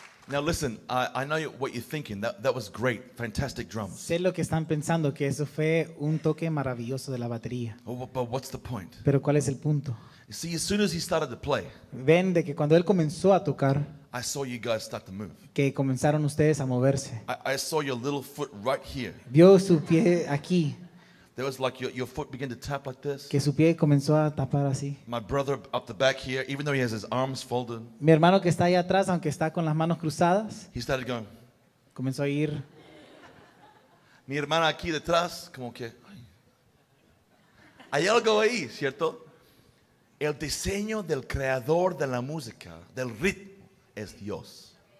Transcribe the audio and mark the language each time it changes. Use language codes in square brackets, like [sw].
[en] Now listen, I know what you're thinking. That was great, fantastic drums. [es] Sé lo que están pensando, que eso fue un toque maravilloso de la batería. [en] But what's the point? [es] Pero ¿cuál es el punto? [en] See, as soon as he started to play, [es] ven de que cuando él comenzó a tocar, [en] I saw you guys start to move. [es] Que comenzaron ustedes a moverse. [en] I saw your little foot right here. [es] Vio su pie aquí. [en] There was like your foot began to tap like this. [es] Que su pie comenzó a tapar así. [en] My brother up the back here, even though he has his arms folded. [es] Mi hermano que está ahí atrás, aunque está con las manos cruzadas. [en] He started going. [es] Comenzó a ir. Mi hermana aquí detrás, como que. Hay algo ahí, ¿cierto? El diseño del creador de la música, del ritmo, es Dios.